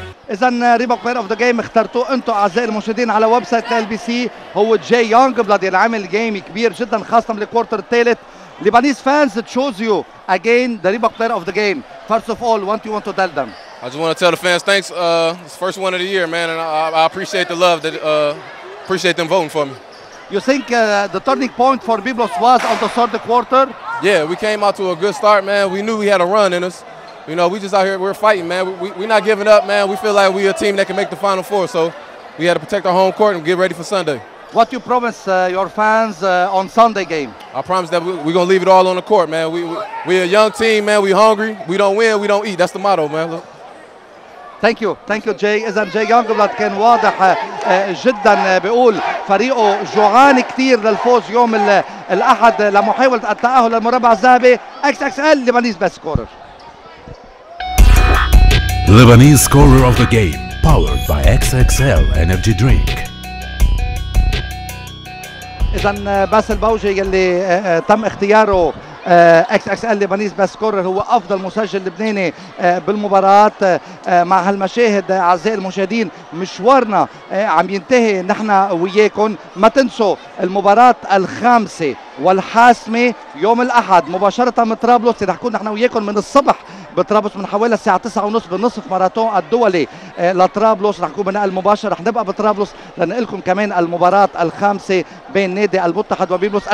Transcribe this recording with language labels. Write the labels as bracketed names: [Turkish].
[Arabic] اذا ريبوك بلاير اوف ذا جيم اخترتوه انتم اعزائي المشاهدين على ويب سايت ال بي سي هو جاي يونغ بلاد، اللي عمل جيم كبير جدا خاصه بالكوارتر الثالث. [English] Lebanese fans chose you again the Reebok player of the game, first of all want you want to tell them. I just want to tell the fans thanks, it's first one of the year man, and I appreciate the love that appreciate them voting for me. You think the turning point for Biblos was on the third quarter? Yeah, we came out to a good start man, we knew we had a run in us. You know, we just out here, we're fighting, man. We're not giving up, man. We feel like we're a team that can make the Final Four. So we had to protect our home court and get ready for Sunday. What you promise your fans on Sunday game? I promise that we're going to leave it all on the court, man. We're a young team, man. We're hungry. We don't win, we don't eat. That's the motto, man. Look. Thank you. Thank you, Jay. [Arabic] إذا جاي يونغبلاد كان واضح جدا بيقول فريقه جوعان كثير للفوز يوم الأحد لمحاولة التأهل للمربع الذهبي. [English] XXL Lebanese Best Scorer. Lebanese scorer of the game, powered by XXL Energy Drink. [Arabic] إذا باسل بوجي اللي تم اختياره XXL Lebanese Best Scorer هو أفضل مسجل لبناني بالمباراة. مع هالمشاهد أعزائي المشاهدين مشوارنا عم ينتهي نحن وياكم، ما تنسوا المباراة الخامسة والحاسمة يوم الأحد مباشرة من طرابلس، رح نكون نحن وياكم من الصبح بطرابلس من حوالي الساعة 9:30 بالنصف ماراثون الدولي لطرابلس، رح نكون بنقل مباشر، رح نبقى بطرابلس لنقل لكم كمان المباراة الخامسة بين نادي المتحد وبيبلوس.